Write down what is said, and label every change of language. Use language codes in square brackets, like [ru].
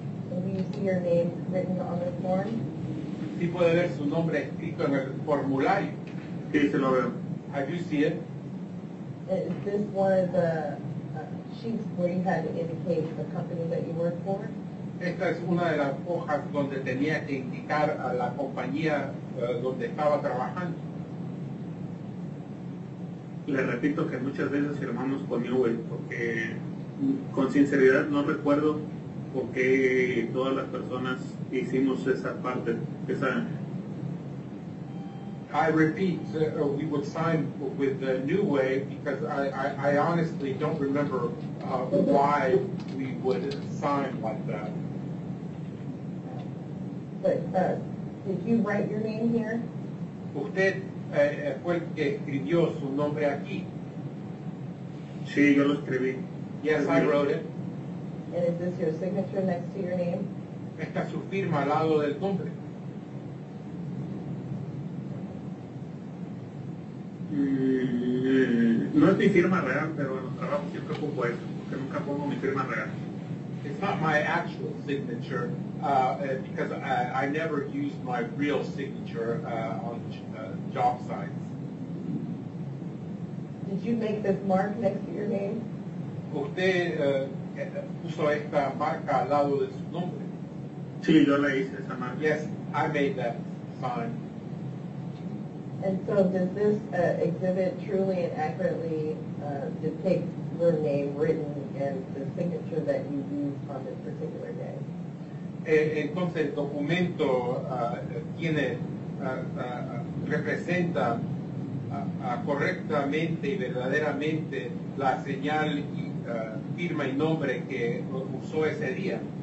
[en] Can you see your name written on the form? [es] Sí, puede ver su nombre escrito en el formulario. Sí, se lo veo. [en] Have you seen it? Is this one of the sheets where you had to indicate the company that you work for? [es] Esta es una de las hojas donde tenía que indicar a la compañía donde estaba trabajando. Le repito que muchas veces firmamos con Newell porque con sinceridad no recuerdo por qué todas las personas hicimos esa parte, esa... [en] I repeat, we would sign with the New Way because I honestly don't remember why we would sign like that. But did you write your name here? [es] Usted fue el que escribió su nombre aquí. Sí, yo lo escribí. [en] Yes, I wrote it. And is this your signature next to your name? [es] Esta es su firma al lado del nombre. No es mi firma real, pero en los trabajos siempre pongo eso, porque nunca pongo mi firma real. [en] It's not my actual signature because I never use my real signature on job sites. Did you make this mark next to your name? [es] Usted puso esta marca al lado de su nombre. Sí, yo la hice esa marca. [en] Yes, I made that sign. And so does this exhibit truly and accurately depict your name written and the signature that you used on this particular day? [es] Entonces el documento tiene representa correctamente y verdaderamente la señal y firma y nombre que usó ese día.